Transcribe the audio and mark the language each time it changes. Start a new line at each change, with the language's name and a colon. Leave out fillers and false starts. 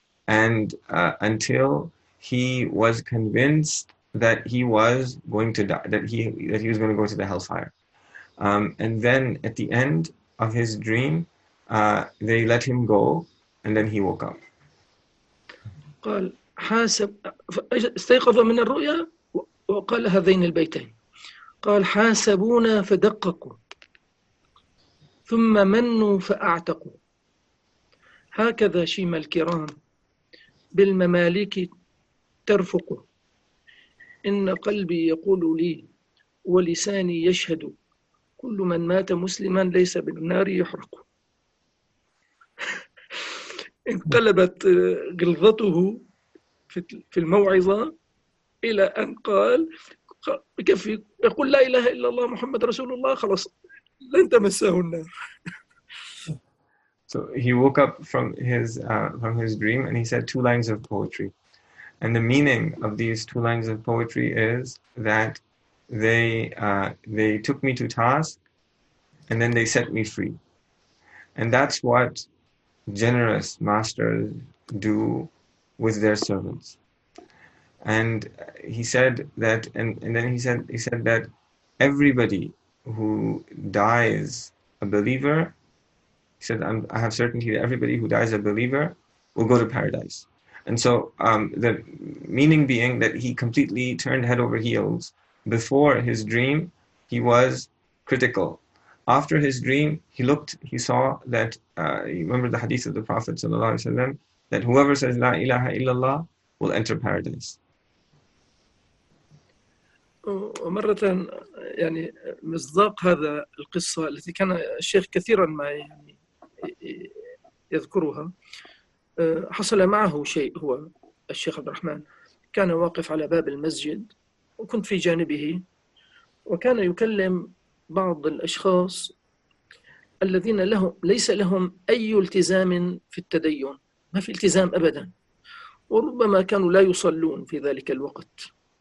English: And until he was convinced that he was going to die, that he was going to go to the hellfire. And then at the end of his dream, they let him go, and then he woke up.
Arabic: قال حاسب استيقظ من الرؤيا وقال هذين البيتين. قال حاسبونا فدققوا ثم منوا فأعتقوا. هكذا شيم الكرام بالممالك ترفق. إن قلبي يقول لي ولساني يشهد كل من مات مسلما ليس بالنار يحرق. انقلبت غلظته في الموعظة إلى أن قال بكفي يقول لا إله إلا الله محمد رسول الله خلاص لن تمسه النار.
English: So he woke up from his dream and he said two lines of poetry, and the meaning of these two lines of poetry is that they took me to task and then they set me free, and that's what generous masters do with their servants. And he said that, and then he said that everybody who dies a believer, he said, I have certainty that everybody who dies a believer will go to paradise. And so the meaning being that he completely turned head over heels. Before his dream, he was critical. After his dream, he looked, he saw that, you remember the hadith of the Prophet ﷺ, that whoever says
Arabic: La ilaha illallah,
English: will enter paradise.
Arabic: ومرة يعني مصداق هذا القصة التي كان الشيخ كثيرا ما يعني يذكرها, حصل معه شيء. هو الشيخ عبد الرحمن كان واقف على باب المسجد وكنت في جانبه, وكان يكلم بعض الأشخاص الذين لهم ليس لهم أي التزام في التدين, ما في التزام أبدا, وربما كانوا لا يصلون في ذلك الوقت.